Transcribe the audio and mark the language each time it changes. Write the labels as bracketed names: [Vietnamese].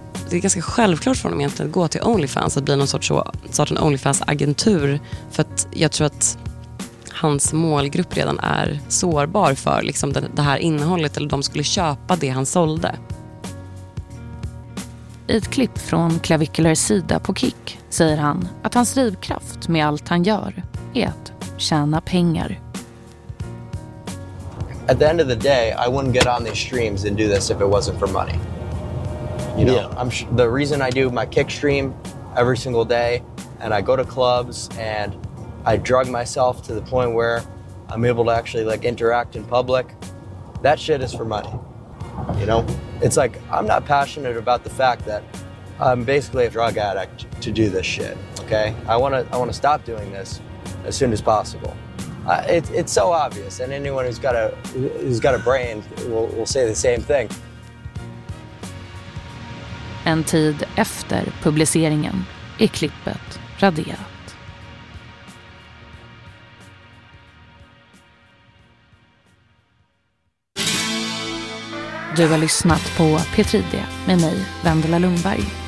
[Swedish] Det är ganska självklart för honom egentligen att gå till OnlyFans, att bli någon sorts en OnlyFans-agentur, för att jag tror att hans målgrupp redan är sårbar för liksom det här innehållet, eller de skulle köpa det han sålde. I ett klipp från Klavikulers sida på Kick säger han att hans drivkraft med allt han gör är att tjäna pengar. [English] At the end of the day, I wouldn't get on these streams and do this if it wasn't for money. You know, yeah. The reason I do my Kick stream every single day, and I go to clubs and I drug myself to the point where I'm able to actually like interact in public, that shit is for money. You know, it's like I'm not passionate about the fact that I'm basically a drug addict to do this shit. Okay, I want to stop doing this as soon as possible. It's so obvious, and anyone who's got a brain will say the same thing. [Swedish] En tid efter publiceringen är klippet raderat. Du har lyssnat på Petridia med mig, Vendela Lundberg.